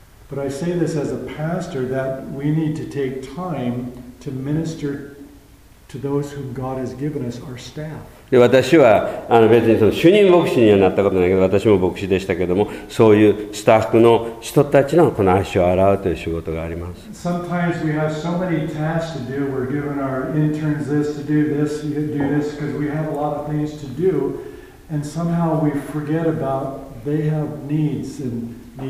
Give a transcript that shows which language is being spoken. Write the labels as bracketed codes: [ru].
[en] But I say this as a pastor that we need to take time to ministerTo those whom God has given us, our staff. [ja] で私はあの別にその主任牧師にはなったことないけど私も牧師でしたけどもそういうスタッフの人たちのこの足を洗うという仕事があります。 [en] Sometimes we have so many tasks to do. We're giving our interns this to do this, do this, because we have a lot of things to do, and somehow we forget about they have needs and.